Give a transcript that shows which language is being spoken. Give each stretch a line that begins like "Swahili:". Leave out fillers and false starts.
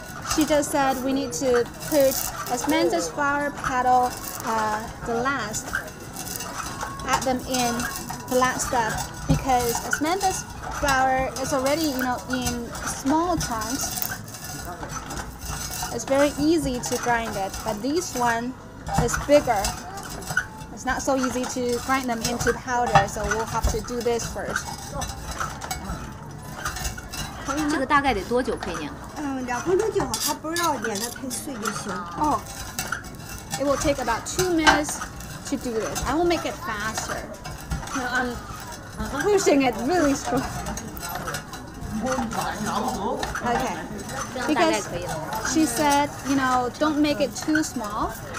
English: She just said we need to put asmanthus flower petal, the last, add them in the last step because asmanthus flower is already, you know, in small chunks. It's very easy to grind it, but this one is bigger. It's not so easy to grind them into powder, so we'll have to do this first.
Chinese: 这个大概得多久可以碾？两分钟就好，它不要碾得太碎就行。
English: It will take about 2 minutes to do this. I will make it faster. I'm pushing it really strong. Okay. Because she said, you know, don't make it too small.